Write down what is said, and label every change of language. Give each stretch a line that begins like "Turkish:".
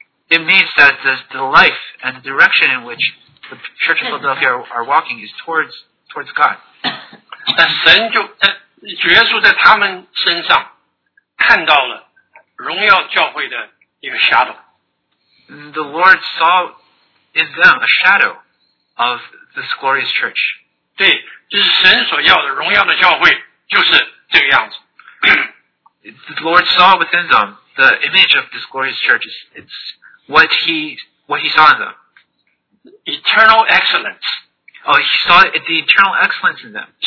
English: It means that the life and the direction in which the Church of Philadelphia are walking is towards God.
Chinese: 但神就，主耶稣在他们身上看到了荣耀教会的一个shadow。
English: The Lord saw in them a shadow of this glorious church.
Chinese: 对，就是神所要的荣耀的教会就是这个样子。
English: The Lord saw within them the image of this glorious church. It's what he saw in them. Eternal excellence. Oh, he saw the eternal excellence in them.